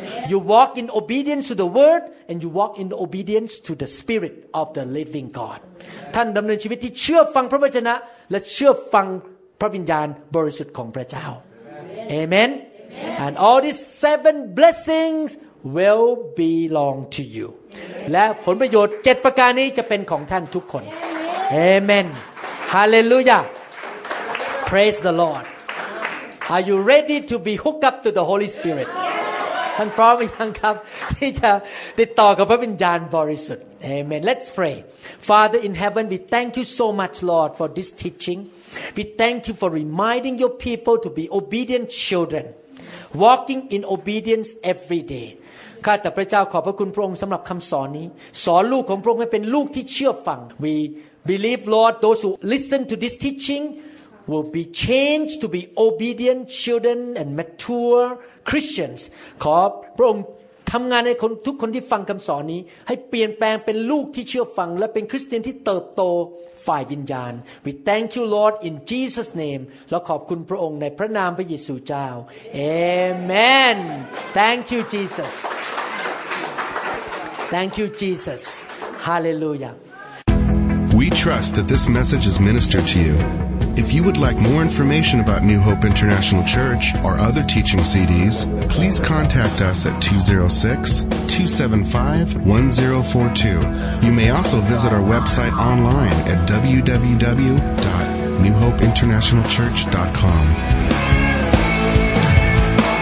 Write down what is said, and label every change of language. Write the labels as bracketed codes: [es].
[en] You walk in obedience to the word and you walk in obedience to the spirit of the living God [th] ท่านดำเนินชีวิตที่เชื่อฟังพระวจนะและเชื่อฟังพระวิญญาณบริสุทธิ์ของพระเจ้า [en] Amen And all these seven blessingsWill belong to you. [th] และผลประโยชน์7ประการนี้จะเป็นของท่านทุกคน Amen. [en] Hallelujah. Praise the Lord. Are you ready to be hooked up to the Holy Spirit? [th] ท่านพร้อมยังครับที่จะติดต่อกับพระวิญญาณบริสุทธิ์ Amen. [en] Let's pray. Father in heaven, we thank you so much, Lord, for this teaching. We thank you for reminding your people to be obedient children, walking in obedience every day. [th] ข้าแต่พระเจ้าขอบพระคุณพระองค์สำหรับคำสอนนี้สอนลูกของพระองค์ให้เป็นลูกที่เชื่อฟัง [en] We believe Lord those who listen to this teaching will be changed to be obedient children and mature Christians [th] ขอพระองค์ทำงานในคนทุกคนที่ฟังคำสอนนี้ให้เปลี่ยนแปลงเป็นลูกที่เชื่อฟังและเป็นคริสเตียนที่เติบโตฝ่ายวิญญาณ [en] We thank you Lord in Jesus name [th] และขอบคุณพระองค์ในพระนามพระเยซูเจ้า [en] Amen Thank you JesusThank you, Jesus. Hallelujah. We trust that this message is ministered to you. If you would like more information about New Hope International Church or other teaching CDs, please contact us at 206-275-1042. You may also visit our website online at www.newhopeinternationalchurch.com.